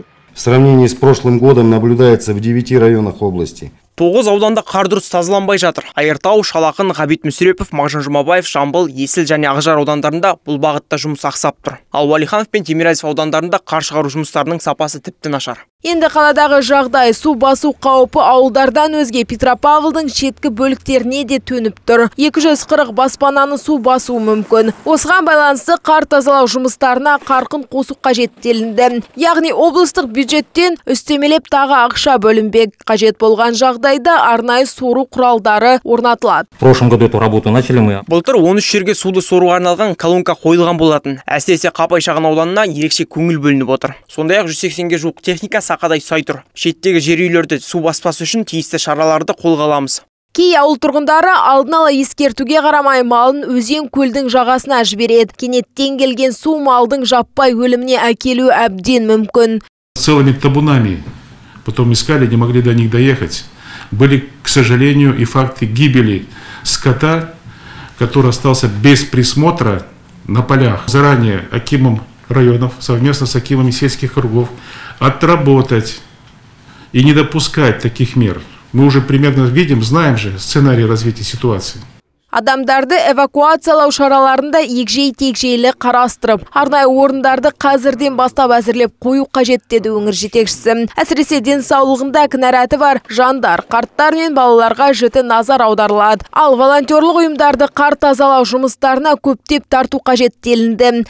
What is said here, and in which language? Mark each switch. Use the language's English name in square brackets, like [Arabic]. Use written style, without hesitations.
[Russian] В сравнении с прошлым годом наблюдается в 9 районах области. [Kazakh] Тоғыз ауданда қар дұрыс тазаланбай жатыр. Айыртау, Шалақын, Ғабит Мүсірепов, Мағжан Жұмабаев, Жамбыл, Есіл және Ақжар аудандарында бұл бағытта жұмыс ақсап тұр. Ал Уәлиханов пен Темиразев аудандарында қар шығару жұмыстарының сапасы тіпті нашар. Енді қаладағы жағдай, су басу қаупі ауылдардан өзге Петропавлдың шеткі бөліктеріне де төніп тұр. 240 баспананы су басуы мүмкін. Осыған байланысты қар тазалау жұмыстарына қарқын қосу қажет делінді. Яғни облыстық бюджеттен үстемелеп тағы ақша бөлінбек. Қажет болған жағдайда арнайы сору құралдары орнатылады. Былтыр 13 жерге суды соруға арналған колонка қойылған болатын. Әсіресе Қапай шағын ауданына ерекше көңіл бөлініп отыр. Сондай-ақ 180-ге жуық техника сақадай сай тұр. Шеттегі жер үйлерді су баспасы үшін тиісті шараларды қолға аламыз. Кей ауыл тұрғындары алдын ала ескертуге қарамай малын өзен көлдің жағасына жібереді. Кенеттен келген су малдың жаппай өліміне әкелуі әбден мүмкін. [Russian] Целыми табунами потом искали, не могли до них доехать. Были, к сожалению, и факты гибели скота, который остался без присмотра на полях. Заранее акимом районов совместно с акимами сельских округов отработать и не допускать таких мер. Мы уже примерно видим, знаем же сценарий развития ситуации. [Kazakh] Адамдарды эвакуациялау шараларында егжей-тегжейлі қарастырып, арнайы орындарды қазірден бастап әзірлеп қою қажет деді өңір жетекшісі. Әсіресе денсаулығында кінәрәті бар жандар, қарттар мен балаларға жіті назар аударылады. Ал волонтерлық ұйымдарды қар тазалау жұмыстарына көптеп тарту қажет делінді.